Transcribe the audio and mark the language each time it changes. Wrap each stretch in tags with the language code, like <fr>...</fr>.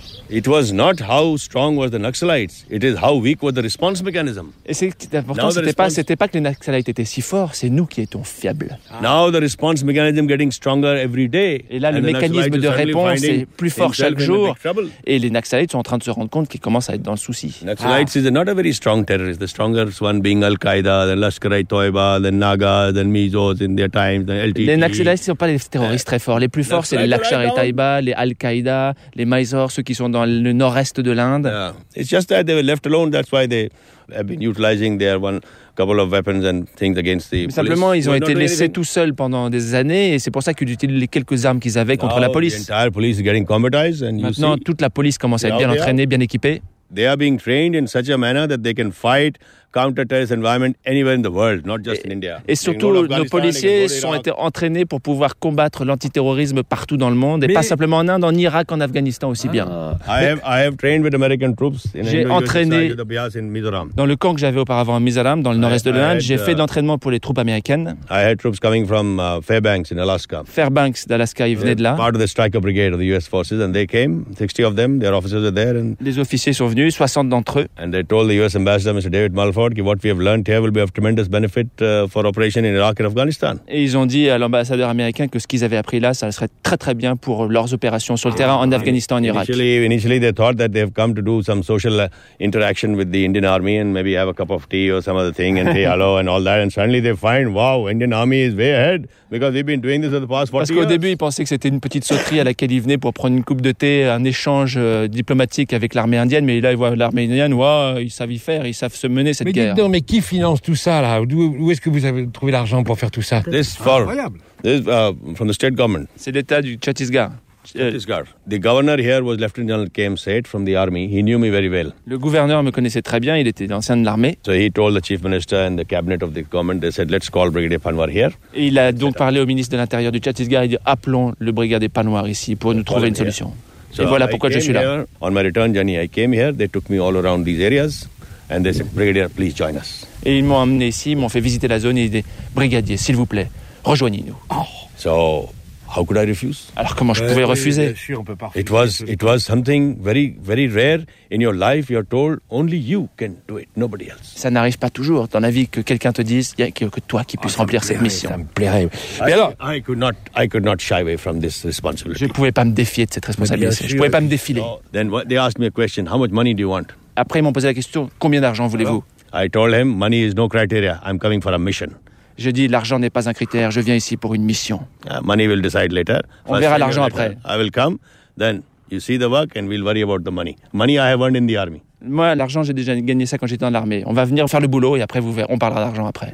<en>It was not how strong were the Naxalites. It is how weak were the response mechanism.</en> <fr>Et c'est important, c'était pas que les Naxalites étaient si forts, c'est nous qui étions faibles.</fr> <en>Now the response mechanism getting stronger every day.</en> <fr>Et là, le mécanisme de réponse est plus fort chaque jour. Et les Naxalites sont en train de se rendre compte qu'ils commencent à être dans le souci.</fr> <en>Naxalites is not a very strong terrorist. The strongest one being Al Qaeda, then Lashkar-e-Taiba, then Naga, then Mizos in their times, then LTT.</en> <fr>Les Naxalites ne sont pas des terroristes très forts. Les plus forts, c'est les Lashkar-e-Taiba, les Al Qaeda, les Mizos, ceux qui sont dans le nord-est de l'Inde.</fr> <en>Yeah. It's just that they were left alone, that's why they have been utilizing their one couple of weapons and things against the police.</en> <fr>Simplement, ils ont été laissés tout seuls pendant des années et c'est pour ça qu'ils utilisaient les quelques armes qu'ils avaient contre la police.</fr> <en>The entire police is getting combatized and</en> <fr>maintenant, toute la police commence à être bien entraînée, bien équipée.</fr> <en>They are being trained in such a manner that they can fight counter-terrorist environment anywhere in the world, not just in India.</en> <fr>Et surtout, nos policiers ont été entraînés pour pouvoir combattre l'antiterrorisme partout dans le monde, et pas simplement en Inde, en Irak, en Afghanistan aussi bien.</fr> <en>I have trained with American troops in</en> <fr>India. J'ai entraîné dans le camp que j'avais auparavant à Mizoram, dans le nord-est de l'Inde. J'ai fait d'entraînement pour les troupes américaines.</fr> <en>I had troops coming from Fairbanks in Alaska.</en> <fr>Fairbanks d'Alaska, ils venaient de là.</fr> <en>Part of the Striker Brigade of the U.S. forces, and they came. 60 of them, their officers were there. And</en> <fr>les officiers sont venus, 60 d'entre eux.</fr> <en>And they told the U.S. ambassador, Mr. David Mulford, what we have learned here will be of tremendous benefit for operation in Iraq and Afghanistan.</en> <fr>Et ils ont dit à l'ambassadeur américain que ce qu'ils avaient appris là, ça serait très très bien pour leurs opérations sur le terrain en Afghanistan et en Irak.</fr> <en>Initially, they thought that they have come to do some social interaction with the Indian Army and maybe have a cup of tea or some other thing and say hello and all that. And suddenly, they find, wow, Indian Army is way ahead because they've been doing this for the past 40 years.</en> <fr>Parce qu'au début, ils pensaient que c'était une petite sauterie à laquelle ils venaient pour prendre une coupe de thé, un échange diplomatique avec l'armée indienne. Mais là, ils voient l'armée indienne, wow, ils savent y faire, ils savent se mener. Mais dites donc, mais qui finance tout ça là? Où est-ce que vous avez trouvé l'argent pour faire tout ça?</fr> <en>This for, incroyable. This from the state government.</en> <fr>C'est l'État du Chhattisgarh. Chhattisgarh.</fr> <en>The governor here was Lieutenant General K.M. Seth from the army. He knew me very well.</en> <fr>Le gouverneur me connaissait très bien. Il était ancien de l'armée.</fr> <en>So he told the chief minister and the cabinet of the government. They said, let's call Brigadier Panwar here.</en> <fr>Et il a donc parlé au ministre de l'Intérieur du Chhattisgarh. Il dit, appelons le brigadier Panwar ici pour nous trouver une solution. So et voilà pourquoi je suis là.</fr> <en>Here, on my return journey, I came here. They took me all around these areas. And they said, Brigadier, please join us.</en> <fr>Et ils m'ont amené ici, ils m'ont fait visiter la zone et ils disent, Brigadier, s'il vous plaît, rejoignez-nous.</fr> <en>Oh. So, how could I refuse?</en> <fr>Alors comment je pouvais refuser? Bien sûr, on peut pas refuser.</fr> <en>It was something very, very rare in your life. You're told only you can do it, nobody else.</en> <fr>Ça n'arrive pas toujours dans la vie que quelqu'un te dise, il y a que toi qui puisses remplir cette mission. Ça me plairait. Mais alors,</fr> <en>I could not shy away from this responsibility.</en> <fr>Je ne pouvais pas me défier de cette responsabilité. Je ne pouvais pas me défiler. So,</fr> <en>then what, they asked me a question. How much money do you want?</en> <fr>Après, ils m'ont posé la question, combien d'argent voulez-vous?</fr> <en>I told him, money is no criteria. I'm coming for a mission.</en> <fr>Je dis, l'argent n'est pas un critère. Je viens ici pour une mission.</fr> <en>Money will decide later.</en> <fr>On verra l'argent après.</fr> <en>I will come, then you see the work and we'll worry about the money. Money I have earned in the army.</en> <fr>Moi, l'argent, j'ai déjà gagné ça quand j'étais dans l'armée. On va venir faire le boulot et après, vous verrez, on parlera d'argent après.</fr>